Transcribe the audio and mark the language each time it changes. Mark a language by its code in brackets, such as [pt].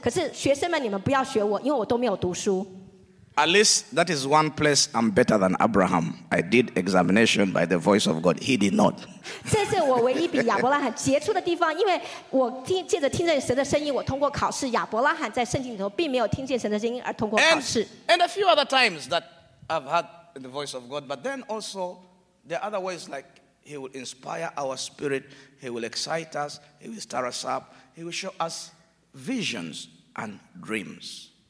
[zh] 有一次呢，我在大学的考试的时候，我完全没有预备，我就坐在前面，我很清楚的，神告诉我说，我要勾摸你的口，如快手笔这样写下来，所以我就通过了考试。可是学生们，你们不要学我，因为我都没有读书。 [en] At least that is one place I'm better than Abraham. I did examination by the voice of God. He did not. [zh] 这是我唯一比亚伯拉罕杰出的地方，因为我听见着听着神的声音，我通过考试。亚伯拉罕在圣经里头并没有听见神的声音而通过考试。 [en] And a few other times that I've had the voice of God, but then also there are other ways like he will inspire our spirit, he will excite us, he will stir us up, he will show us visions and dreams.